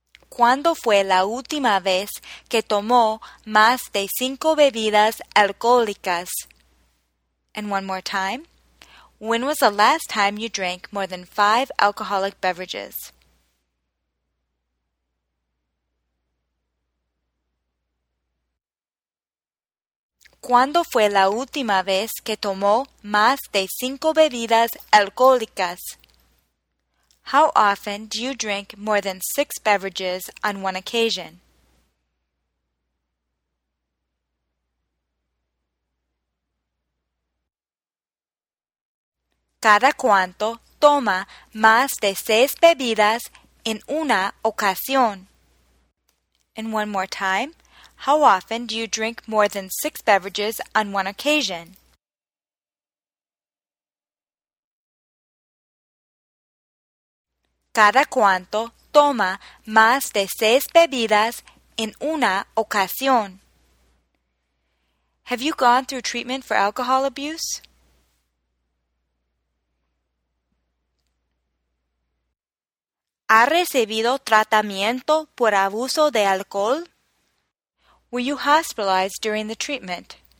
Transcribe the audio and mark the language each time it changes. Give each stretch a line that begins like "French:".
Spanish: ¿Cuándo fue la última vez que tomó más de 5 bebidas alcohólicas?
English: And one more time. When was the last time you drank more than 5 alcoholic beverages?
Spanish: ¿Cuándo fue la última vez que tomó más de 5 bebidas alcohólicas?
English: How often do you drink more than 6 beverages on one occasion?
Spanish: ¿Cada cuánto toma más de 6 bebidas en una ocasión?
English: And one more time, how often do you drink more than 6 beverages on one occasion?
Spanish: ¿Cada cuánto toma más de 6 bebidas en una ocasión?
English: Have you gone through treatment for alcohol abuse?
Spanish: ¿Ha recibido tratamiento por abuso de alcohol?
English: Were you hospitalized during the treatment?